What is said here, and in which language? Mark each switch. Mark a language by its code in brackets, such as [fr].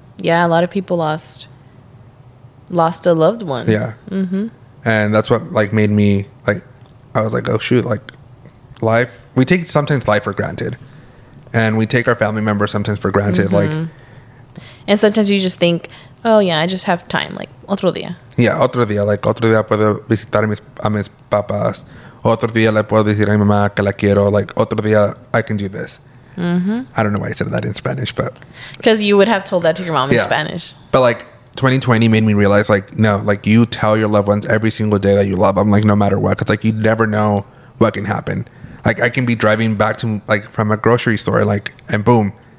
[en] Yeah, a lot of people lost a loved one. Yeah. Mm-hmm. And that's what like made me like, I was like, oh shoot, like life, we take sometimes life for granted, and we take our family members sometimes for granted. Mm-hmm. Like, and sometimes you just think, oh yeah, I just have time, like [es] otro día. [en] Yeah, [es] otro día, [en] like [es] otro día puedo visitar a mis papas. Otro día le puedo decir a mi mamá que la quiero. [en] Like [es] otro día, [en] I can do this. Mm-hmm. I don't know why I said that in Spanish, but because you would have told that to your mom in Spanish. But like 2020 made me realize, like no, like you tell your loved ones every single day that you love them, like no matter what, because like you never know what can happen. Like I can be driving back to like from a grocery store, like and boom.